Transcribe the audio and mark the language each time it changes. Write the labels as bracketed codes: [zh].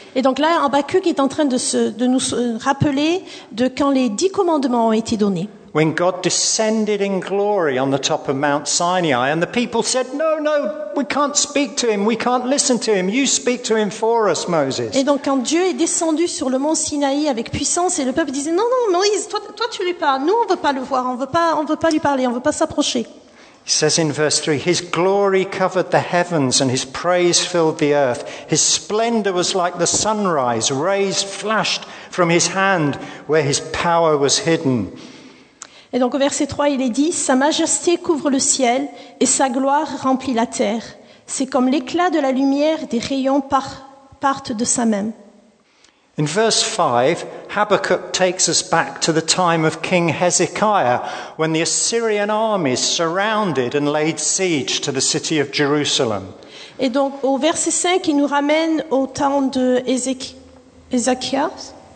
[fr] Et donc là, Habakkuk est en train de nous rappeler de quand les 10 commandements ont été donnés. [en] When God descended in glory on the top of Mount Sinai, and the people said, "No, no, we can't speak to him. We can't listen to him. You speak to him for us, Moses." [fr] Et donc quand Dieu est descendu sur le mont Sinaï avec puissance, et le peuple disait, "Non, non, Moïse, toi tu lui parles. Nous, on veut pas le voir. On veut pas lui parler. On veut pas s'approcher." [en] He says in verse 3, his glory covered the heavens and his praise filled the earth. His splendor was like the sunrise, rays flashed from his hand where his power was hidden. [fr] Et donc au verset 3, il est dit, sa majesté couvre le ciel et sa gloire remplit la terre. C'est comme l'éclat de la lumière, des rayons partent de sa main. [en] In verse 5, Habakkuk takes us back to the time of King Hezekiah when the Assyrian armies surrounded and laid siege to the city of Jerusalem. [fr] Et donc au verset 5, il nous ramène au temps de Ézéchias.